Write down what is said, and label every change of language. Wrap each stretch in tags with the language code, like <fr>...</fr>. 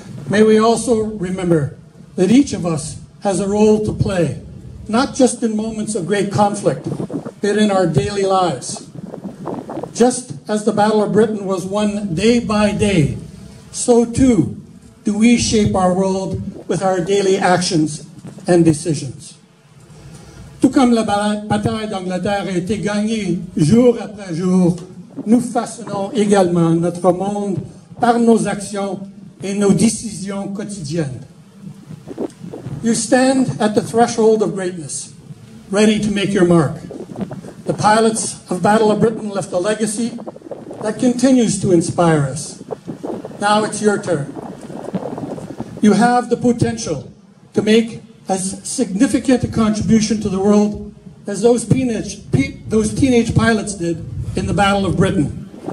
<en>May we also remember that each of us has a role to play, not just in moments of great conflict, but in our daily lives. Just as the Battle of Britain was won day by day, so too do we shape our world with our daily actions and decisions.</en> <fr>Tout comme la bataille d'Angleterre a été gagnée jour après jour, nous façonnons également notre monde par nos actions et nos décisions quotidiennes.</fr> <en>You stand at the threshold of greatness, ready to make your mark. The pilots of Battle of Britain left a legacy that continues to inspire us. Now it's your turn. You have the potential to make as significant a contribution to the world as those teenage pilots did in the Battle of Britain.</en>